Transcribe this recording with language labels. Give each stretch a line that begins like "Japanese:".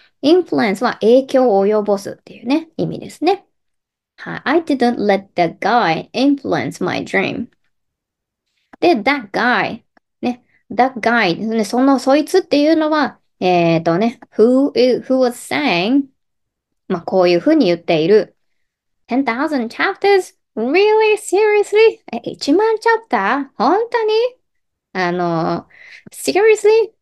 Japanese: Influence は影響を及ぼすっていうね、意味ですね。はい。
English: I didn't let the guy influence my dream。
Japanese: で、that guy、ね、that guy、ね、その、そいつっていうのは、
English: who was saying、
Japanese: まあ、こういうふうに言っている。
English: 10,000 chapters? Really? Seriously?
Japanese: 1万チャプター？本当に？
English: seriously?